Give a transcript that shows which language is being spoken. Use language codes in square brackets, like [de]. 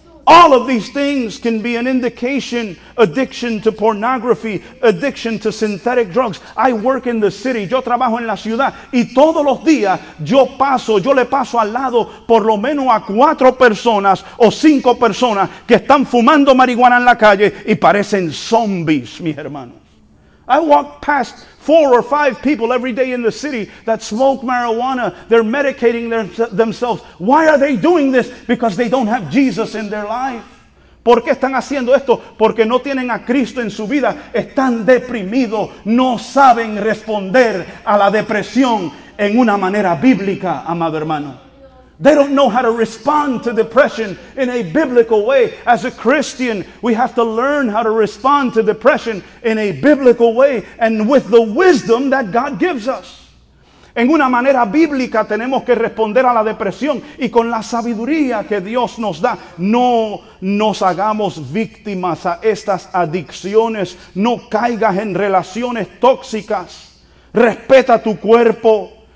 [en] All of these things can be an indication: addiction to pornography, addiction to synthetic drugs. I work in the city. [es] Yo trabajo en la ciudad, y todos los días yo le paso al lado por lo menos a 4 personas o 5 personas que están fumando marihuana en la calle y parecen zombies, mis hermanos. [en] I walk past 4 or 5 people every day in the city that smoke marijuana. They're medicating themselves. Why are they doing this? Because they don't have Jesus in their life. [es] ¿Por qué están haciendo esto? Porque no tienen a Cristo en su vida. Están deprimidos. No saben responder a la depresión en una manera bíblica, amado hermano. [en] They don't know how to respond to depression in a biblical way. As a Christian, we have to learn how to respond to depression in a biblical way and with the wisdom that God gives us. [es] En una manera bíblica tenemos que responder a la depresión, y con la sabiduría que Dios nos da. No nos hagamos víctimas a estas adicciones. No caigas en relaciones tóxicas. Respeta tu cuerpo.